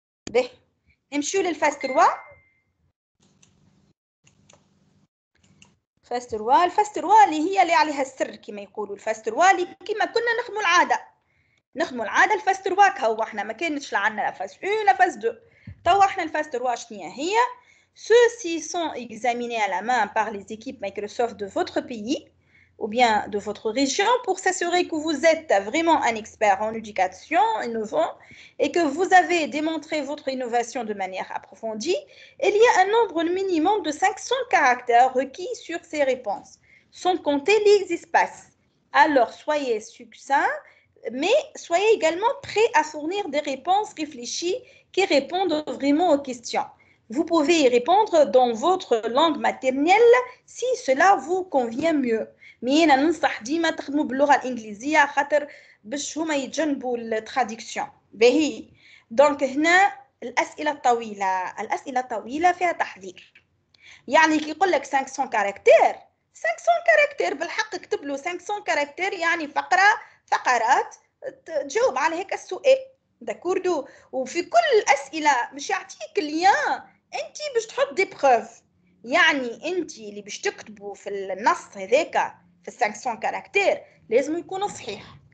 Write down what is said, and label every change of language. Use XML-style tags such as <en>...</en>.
<ar>به نمشيو للفاس 3. فاس 3 الفاس 3 اللي هي اللي عليها السر كما يقولوا. الفاس 3 اللي كما كنا نخدموا العاده، نخدموا العاده الفاس 3 هو. احنا ما كانتش عندنا لا فاس 1 لا فاس 2. توا احنا الفاس 3 شنو هي؟</ar> <fr>Ceux-ci sont examinés à la main par les équipes Microsoft de votre pays ou bien de votre région pour s'assurer que vous êtes vraiment un expert en éducation innovant et que vous avez démontré votre innovation de manière approfondie. Il y a un nombre minimum de 500 caractères requis sur ces réponses, sans compter les espaces. Alors, soyez succincts, mais soyez également prêts à fournir des réponses réfléchies qui répondent vraiment aux questions. Vous pouvez y répondre dans votre langue maternelle si cela vous convient mieux. Mais on vous conseille de vous parler en anglais pour que vous puissiez éviter la traduction. Donc, ici, la question longue fait un تحذير.</fr> <ar>يعني كي يقول لك 500 caractères, 500 caractères, بالحق اكتب له 500 caractères, يعني فقرات تجاوب على هيك السؤال. داكوردو؟ وفي كل الأسئلة مش يعطيك ليان. انتي باش تحط دي بروف، يعني انتي اللي باش تكتبوا في النص هذاك في 500 كاركتير لازم يكون صحيح.</ar>